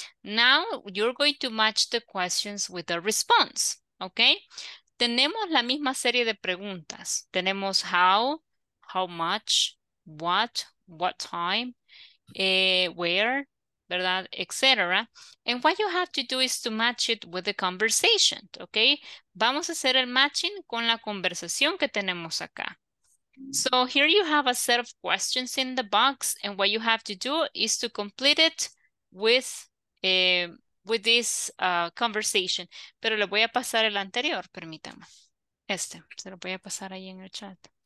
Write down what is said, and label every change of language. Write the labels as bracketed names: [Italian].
[English] Now you're going to match the questions with the response. [Spanish] Okay. Tenemos la misma serie de preguntas. Tenemos [English] how much, what time, where, [Spanish] ¿verdad? Etc. [English] And what you have to do is to match it with the conversation. Okay. [Spanish] Vamos a hacer el matching con la conversación que tenemos acá. [English] So here you have a set of questions in the box, and what you have to do is to complete it with this conversation. [Spanish] Pero le voy a pasar el anterior, permítame. Este, se lo voy a pasar ahí en el chat.